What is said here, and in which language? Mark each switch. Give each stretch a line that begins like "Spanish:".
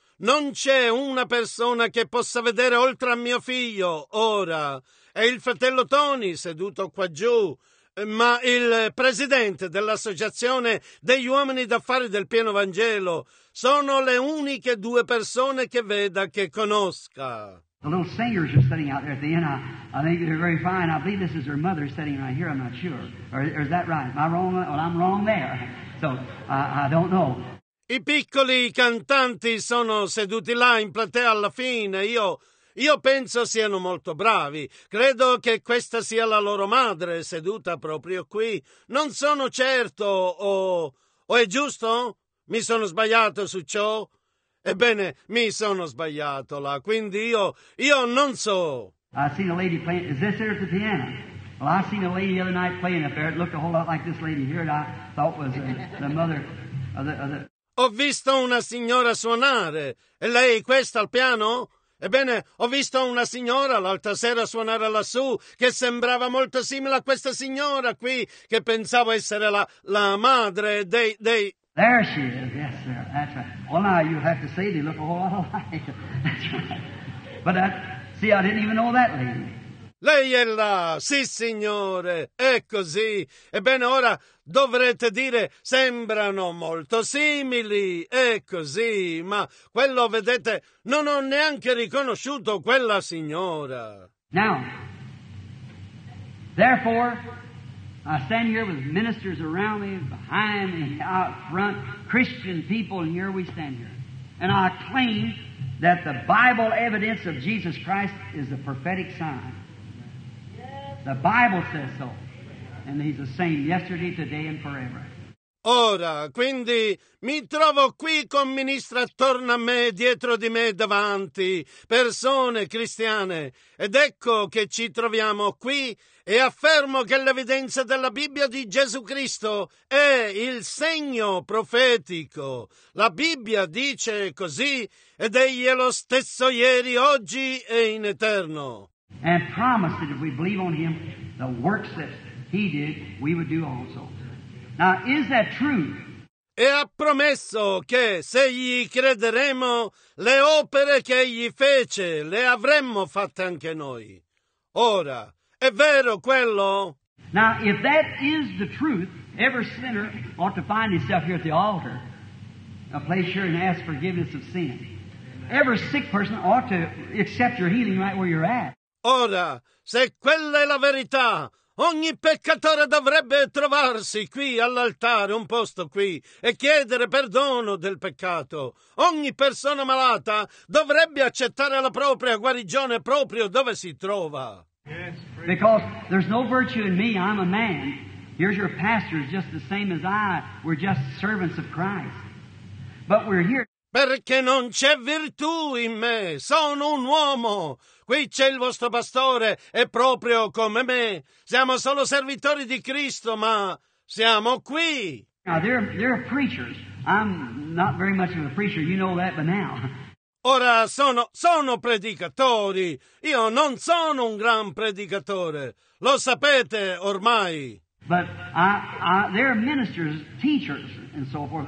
Italian: Non c'è una persona che possa vedere oltre a mio figlio ora. È il fratello Tony seduto qua giù, ma il presidente dell'Associazione degli Uomini d'Affari del Pieno Vangelo sono le uniche due persone che veda, che conosca.
English: The little singers are sitting out there at the end. I think they're very fine. I believe this is her mother sitting right here. I'm not sure. Or is that right? Am I wrong? Well, I'm wrong there. So I don't know.
Italian: I piccoli cantanti sono seduti là in platea alla fine. Io penso siano molto bravi. Credo che questa sia la loro madre seduta proprio qui. Non sono certo. O è giusto? Mi sono sbagliato su ciò? Ebbene, mi sono sbagliato là, quindi io non so.
English: I seen a lady playing. Is this here at the piano? Well, I seen a lady the other night playing up there. It looked a whole lot like this lady here that I thought was the mother of the...
Italian: Ho visto una signora suonare. E lei questa al piano? Ebbene, ho visto una signora l'altra sera suonare lassù che sembrava molto simile a questa signora qui, che pensavo essere la madre dei...
English: There she is, yes, sir. That's right. Well, now you have to say they look a whole lot alike. That's right. But I didn't even know that lady.
Italian: Lei è là, sì, signore, è così. Ebbene, ora dovrete dire sembrano molto simili, è così. Ma quello, vedete, non ho neanche riconosciuto quella signora.
English: Now, therefore, I stand here with ministers around me, behind me, out front, Christian people, and here we stand here. And I claim that the Bible evidence of Jesus Christ is a prophetic sign. The Bible says so. And he's the same yesterday, today, and forever.
Italian: Ora, quindi, mi trovo qui con ministri attorno a me, dietro di me, davanti, persone cristiane, ed ecco che ci troviamo qui e affermo che l'evidenza della Bibbia di Gesù Cristo è il segno profetico. La Bibbia dice così ed egli è lo stesso ieri, oggi e in eterno.
English: And promised that if we believe on him, the works that he did, we would do also. Now, is that true?
Italian: E ha promesso che se gli crederemo, le opere che egli fece le avremmo fatte anche noi. Ora, è vero quello?
English: Now, if that is the truth, every sinner ought to find himself here at the altar, a place here, and ask forgiveness of sin. Every sick person ought to accept your healing right where you're at.
Italian: Ora, se quella è la verità, ogni peccatore dovrebbe trovarsi qui all'altare, un posto qui, e chiedere perdono del peccato. Ogni persona malata dovrebbe accettare la propria guarigione proprio dove si trova.
English: Because there's no virtue in me, I'm a man. Here's your pastor, just the same as I. We're just servants of Christ. But we're here.
Italian: Perché non c'è virtù in me, sono un uomo. Qui c'è il vostro pastore, è proprio come me. Siamo solo servitori di Cristo, ma siamo qui.
English: Now, they're preachers. I'm not very much of a preacher, you know that, but now.
Italian: Ora, sono predicatori. Io non sono un gran predicatore. Lo sapete ormai.
English: But they're ministers, teachers. And so forth.